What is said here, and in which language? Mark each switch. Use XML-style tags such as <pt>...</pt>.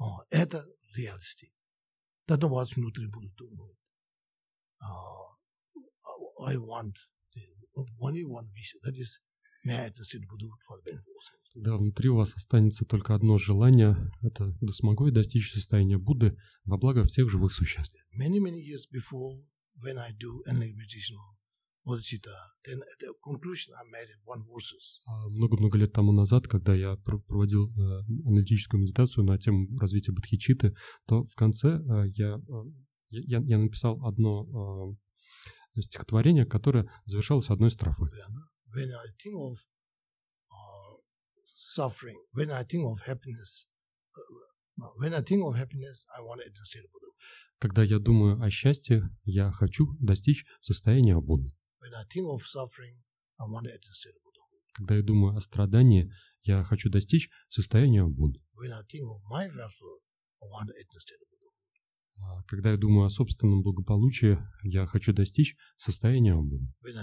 <ru>Это реальность. Тогда у вас внутри будут думать.</ru> <en>I want the only one wish. That is, may I just sit Buddha for the benefit of all things.</en> <ru>Да, внутри у вас останется только одно желание. Это да смогу я достичь состояния Будды во благо всех живых существ.</ru> <en>Many, many years before, when I do endless meditation, bodhicitta, then at the conclusion I made one verses.</en> <ru>Много-много лет тому назад, когда я проводил аналитическую медитацию на тему развития бодхичитты, то в конце я написал одно стихотворение, которое завершалось одной строфой.</ru> <en>When I think of suffering, when I think of happiness, when I think of happiness, I want to attain Buddha.</en> <ru>Когда я думаю о счастье, я хочу достичь состояния Будды.</ru> <en>When I think of suffering, I want to attain Buddha.</en> <ru>Когда я думаю о страдании, я хочу достичь состояния Будды.</ru> <en>When I think of my welfare, I want to attain Buddha.</en> <ru>Когда я думаю о собственном благополучии, я хочу достичь состояния Будды.</ru>